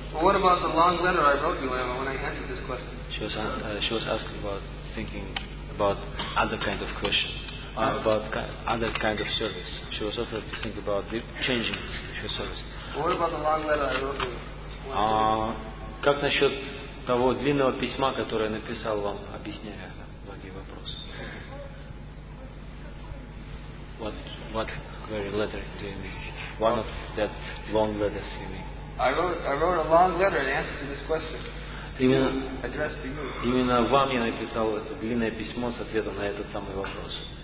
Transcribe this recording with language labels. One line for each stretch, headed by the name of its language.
English: Well, what about the long letter I wrote you when I answered this question? She was asked about thinking about other kind of question, about other kind of service. She was offered to think about changing her service. Well, what about the long letter I wrote you?
Russian: Как насчет того длинного письма, которое я написал вам, объясняя многие вопросы?
English: What very letter do you mean? One of that long letters you mean? I wrote a long letter in answer to this question.
Russian: Именно,
English: addressed to you.
Russian: Именно вам я написал это длинное письмо с ответом на этот самый вопрос.